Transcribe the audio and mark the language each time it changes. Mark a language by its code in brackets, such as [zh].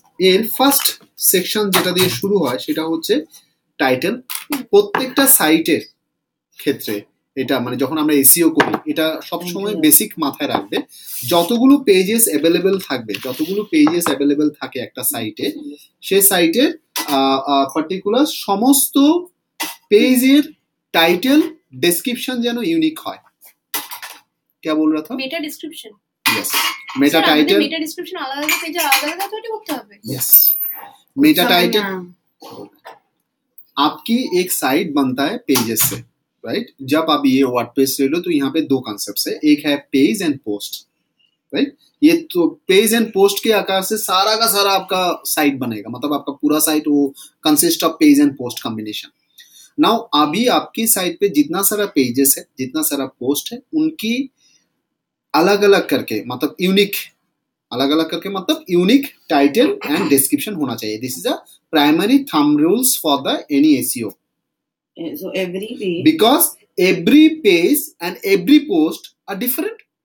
[bn] এর first section যেটা দিয়ে শুরু হয় সেটা হচ্ছে টাইটেল প্রত্যেকটা সাইটের ক্ষেত্রে এটা মানে যখন আমরা এসইও করি এটা সবসময় বেসিক মাথায় রাখবে যতগুলো পেজেস অ্যাভেলেবেল থাকবে যতগুলো পেজেস অ্যাভেলেবেল থাকে একটা সাইটে সেই সাইটে পার্টিকুলার সমস্ত পেজের টাইটেল ডেসক্রিপশন যেন ইউনিক হয় কে বল রাথা মেটা ডেসক্রিপশন ইয়েস মেটা টাইটেল মেটা ডেসক্রিপশন আলাদা পেজে আলাদা করতে হবে [hi] ইয়েস মেটা টাইটেল आपकी एक साइट बनता है पेजेस से राइट जब आप ये वर्डप्रेस ले लो तो यहाँ पे दो कॉन्सेप्ट है एक है पेज एंड पोस्ट राइट ये तो पेज एंड पोस्ट के आकार से सारा का सारा आपका साइट बनेगा मतलब आपका पूरा साइट वो consist of page and post combination now अभी आपकी साइट पे जितना सारा पेजेस है जितना सारा पोस्ट है उनकी अलग अलग करके मतलब यूनिक अलग अलग करके मतलब यूनिक टाइटल एंड डिस्क्रिप्शन होना चाहिए [en] This is a primary thumb rules for the any SEO. So every page. Because every page and every post are different.